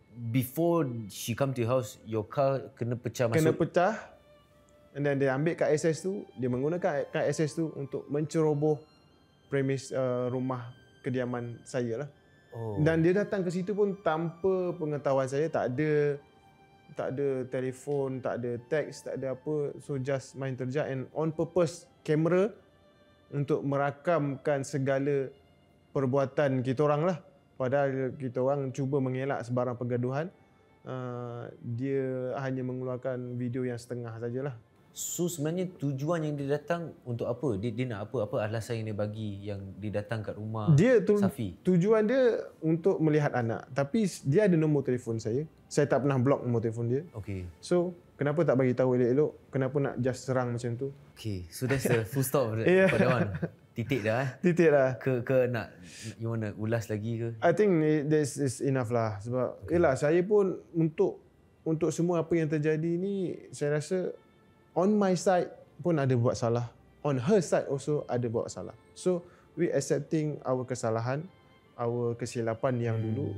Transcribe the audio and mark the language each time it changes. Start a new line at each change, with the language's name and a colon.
English: Before she come to your house, your car
Malay: kena pecah masuk? Kena pecah.
English: And then
Malay: dia ambil kad akses tu, dia menggunakan kad akses tu untuk menceroboh premis rumah kediaman saya lah. Oh. Dan dia datang ke situ pun tanpa pengetahuan saya, tak ada telefon, tak ada teks, tak ada apa.
English: So just
Malay: main terjah
English: and on purpose
Malay: kamera untuk merakamkan segala perbuatan kita orang lah. Padahal kita orang cuba mengelak sebarang pergaduhan. Dia hanya mengeluarkan video yang setengah sajalah. So sebenarnya tujuan yang dia datang untuk apa? Dia nak apa? Apa alasan yang dia bagi yang dia datang kat rumah dia tu, Safi? Tujuan dia untuk melihat anak. Tapi dia ada nombor telefon saya. Saya tak pernah blok nombor telefon dia.
English: Okay.
Malay: So kenapa tak bagi tahu elok-elok? Kenapa nak just serang macam tu?
English: Okay, so that's the full stop for that one.
Malay: Titik dah. Titik dah. Ke nak,
English: you want to
Malay: ulas lagi ke?
English: I think this is enough lah.
Malay: Sebab, yelah, saya pun untuk semua apa yang terjadi ni, saya rasa
English: on my side
Malay: pun ada buat salah.
English: On her side also
Malay: ada buat salah.
English: So, we accepting our
Malay: kesalahan,
English: our
Malay: kesilapan yang dulu.